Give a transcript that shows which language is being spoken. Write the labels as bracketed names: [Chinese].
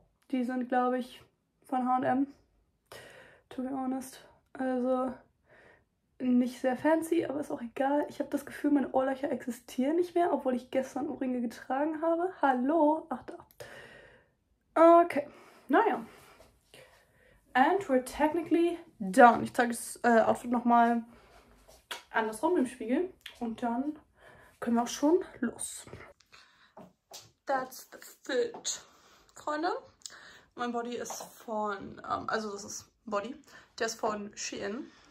[German] Die sind, glaube ich, von H&M. [English] To be honest. [German] Also nicht sehr fancy, aber ist auch egal. Ich habe das Gefühl, meine Ohrlöcher existieren nicht mehr, obwohl ich gestern Ohrringe getragen habe. Hallo? Ach da. Okay. Naja. [English] And we're technically done. [German] Ich zeige das Outfit nochmal andersrum im Spiegel. Und dann können wir auch schon los. [English] That's the fit, [German] Freunde. Mein Body ist von, also das ist Body. Der ist von Shein.